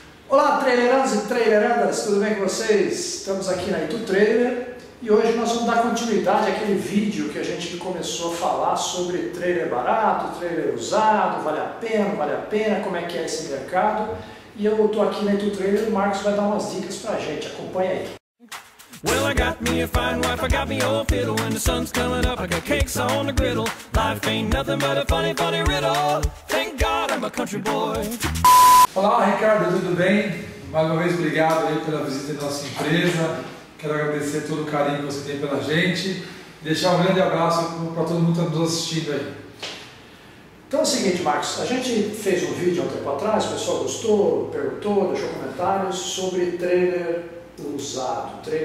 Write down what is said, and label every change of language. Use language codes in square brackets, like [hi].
[pt] Olá, trailerandos e trailerandas, tudo bem com vocês? Estamos aqui na Itu Trailer e hoje nós vamos dar continuidade àquele vídeo que a gente começou a falar sobre trailer barato, trailer usado, vale a pena, como é que é esse mercado. E eu estou aqui na Itu Trailer e o Marcos vai dar umas dicas pra gente, acompanha aí. [en] Well, I got me a fine wife, I got me old fiddle. When the sun's coming up, I got cakes on the griddle. Life ain't nothing but a funny, funny riddle. Thank God I'm a country boy. [pt] Olá, Ricardo, tudo bem? Mais uma vez, obrigado aí pela visita da nossa empresa. Quero agradecer todo o carinho que você tem pela gente. Deixar um grande abraço para todo mundo que está nos assistindo aí. Então é o seguinte, Marcos, a gente fez um vídeo há um tempo atrás, o pessoal gostou, perguntou, deixou comentários sobre trailer usado.